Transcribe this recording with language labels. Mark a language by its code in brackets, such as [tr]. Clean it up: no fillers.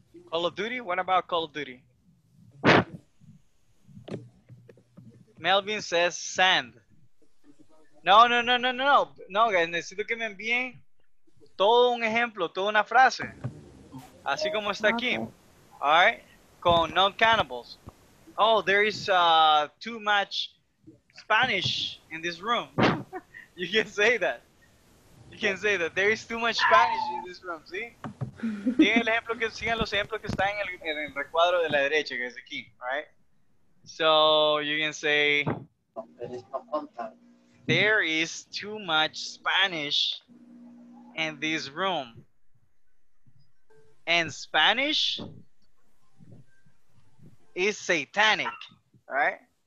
[en] Call of Duty? What about Call of Duty? Melvin says sand. No. No, guys, [es] necesito que me envíen todo un ejemplo, toda una frase. Así como está aquí. [en] All right, [es] con non-countables. [en] Oh, there is too much Spanish in this room. You can say that. You can say that. There is too much Spanish in this room, ¿sí? [es] Sigan los ejemplos que están en el recuadro de la derecha, que es aquí, right? [en] So, you can say, there is too much Spanish in this room. And Spanish is satanic, right?